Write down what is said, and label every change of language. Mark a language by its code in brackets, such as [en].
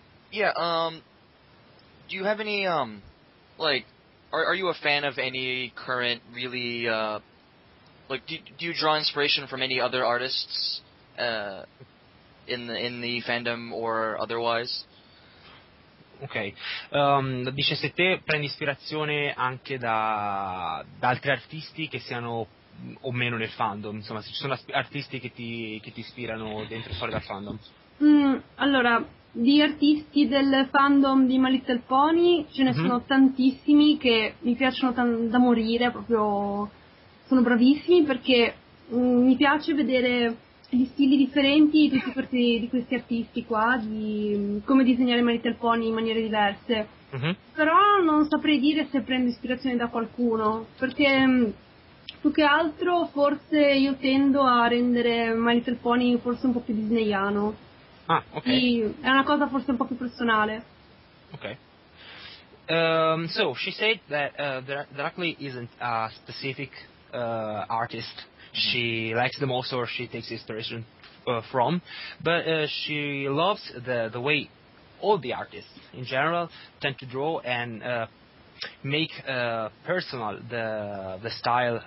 [en] Do you have any, are you a fan of any current really, do you draw inspiration from any other artists, in the fandom or otherwise? [it] Ok, dice se te prendi ispirazione anche da altri artisti che siano o meno nel fandom, insomma, se ci sono artisti che ti ispirano dentro e fuori dal fandom. Allora, di artisti del fandom di My Little Pony ce ne sono tantissimi che mi piacciono da morire, proprio sono bravissimi, perché mi piace vedere gli stili differenti di questi artisti qua, di come disegnare My Little Pony in maniere diverse. Però non saprei dire se prendo ispirazione da qualcuno, perché più che altro forse io tendo a rendere My Little Pony forse un po' più disneyano. Ah, ok. È una cosa forse un po' più personale. Ok. [en] So she said that there actually isn't a specific artist she likes the most or she takes inspiration from, but she loves the way all the artists in general tend to draw and make personal the style.